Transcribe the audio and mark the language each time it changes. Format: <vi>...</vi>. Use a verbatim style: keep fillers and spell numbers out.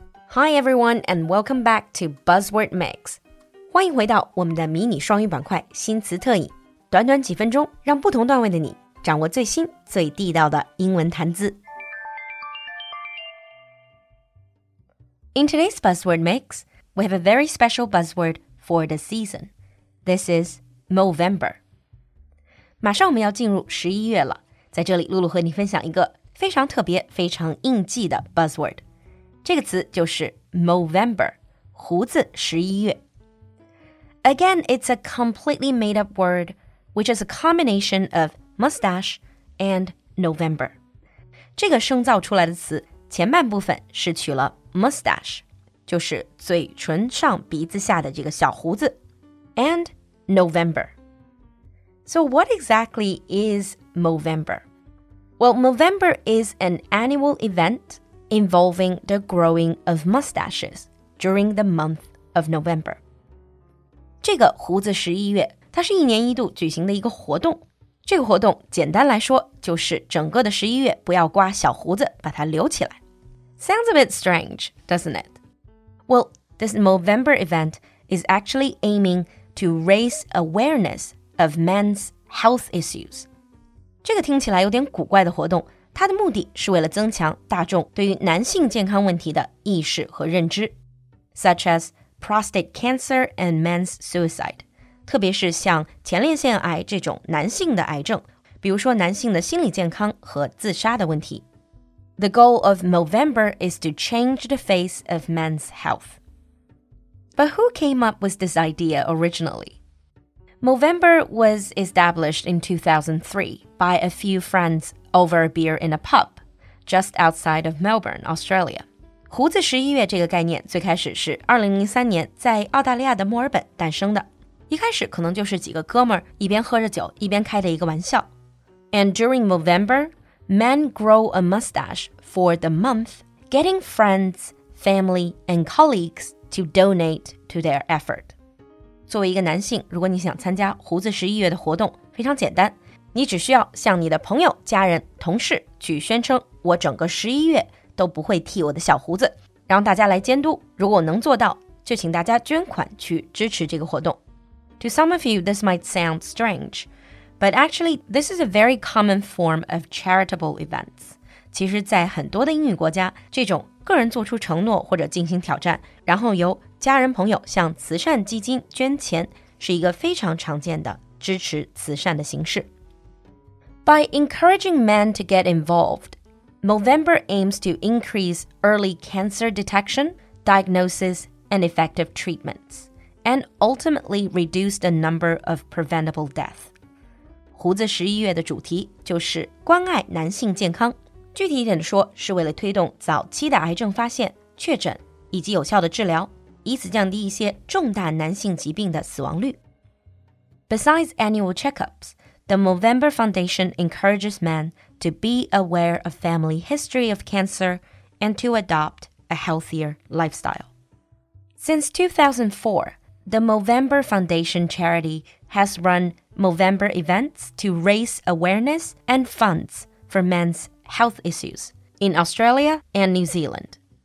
<en>Hi everyone and welcome back to Buzzword Mix.</en> <zh>欢迎回到我们的迷你双语板块新词特饮。短短几分钟，让不同段位的你掌握最新最地道的英文谈资。</zh> <en>In today's Buzzword Mix, we have a very special buzzword for the season. This is Movember.</en> <zh>马上我们要进入十一月了，在这里露露和你分享一个非常特别非常应季的 buzzword。这个词就是 Movember, 胡子十一月。</zh> <en>Again, it's a completely made up word, which is a combination of mustache and November.</en> <zh>这个生造出来的词前半部分是取了 mustache, 就是嘴唇上鼻子下的这个小胡子 and November.</zh> <en>So what exactly is Movember? Well, Movember is an annual event involving the growing of mustaches during the month of November.</en> <zh>这个胡子十一月，它是一年一度举行的一个活动。这个活动简单来说就是整个的十一月不要刮小胡子，把它留起来。</zh> <en>Sounds a bit strange, doesn't it? Well, this Movember event is actually aiming to raise awareness of men's health issues.</en> <zh>这个听起来有点古怪的活动，它的目的是为了增强大众对于男性健康问题的意识和认知 such as prostate cancer and men's suicide, 特别是像前列腺癌这种男性的癌症，比如说男性的心理健康和自杀的问题。</zh> <en>The goal of Movember is to change the face of men's health. But who came up with this idea originally? Movember was established in two thousand three by a few friends over a beer in a pub, just outside of Melbourne, Australia.</en> <zh>胡子十一月这个概念最开始是二零零三年在澳大利亚的墨尔本诞生的。一开始可能就是几个哥们儿一边喝着酒一边开的一个玩笑。</zh> <en>And during Movember, men grow a mustache for the month, getting friends, family, and colleagues to donate to their effort.</en> <zh>作为一个男性，如果你想参加胡子十一月的活动，非常简单。你只需要向你的朋友、家人、同事去宣称我整个十一月都不会剃我的小胡子，让大家来监督。如果我能做到，就请大家捐款去支持这个活动。</zh> <en>To some of you, this might sound strange, but actually this is a very common form of charitable events.</en> <zh>其实在很多的英语国家，这种个人做出承诺或者进行挑战，然后由家人朋友向慈善基金捐钱，是一个非常常见的支持慈善的形式。</zh> <en>By encouraging men to get involved, Movember aims to increase early cancer detection, diagnosis, and effective treatments, and ultimately reduce the number of preventable death.</en> <zh>胡子十一月的主题就是关爱男性健康，具体一点的说，是为了推动早期的癌症发现、确诊以及有效的治疗，以此降低一些重大男性疾病的死亡率。</zh> <en>Besides annual checkups,The Movember Foundation encourages men to be aware of family history of cancer and to adopt a healthier lifestyle. Since two thousand four, the Movember Foundation charity has run Movember events to raise awareness and funds for men's health issues in Australia and New Zealand.</en>